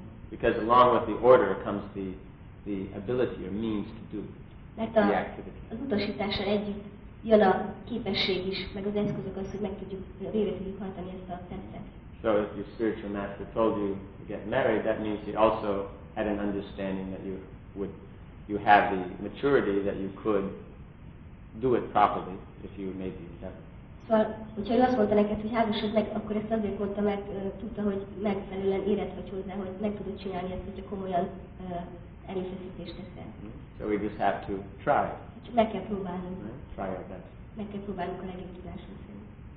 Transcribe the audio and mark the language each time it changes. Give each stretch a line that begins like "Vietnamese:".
English: Because along with the order comes the ability or means to do the activity.
Hungarian: Jön a képesség is, meg az eszközök az, hogy meg tudjuk végre tudjuk hajtani ezt a tettet.
English: So if your spiritual master told you to get married, that means you also had an understanding that you have the maturity that you could do it properly if you made the endeavor.
Hungarian: Szóval, hogyha ő azt mondta neked, hogy házasod meg, akkor ezt azért mondta, mert tudta, hogy megfelelően érett vagy hozzá, hogy meg tudod csinálni ezt, hogyha komolyan erőfeszítést teszel.
English: So we just have to try.
Hungarian: Meg kell próbálnunk.
English: Try our best.
Hungarian: Meg kell próbálnunk a legjobb tudásunk szerint.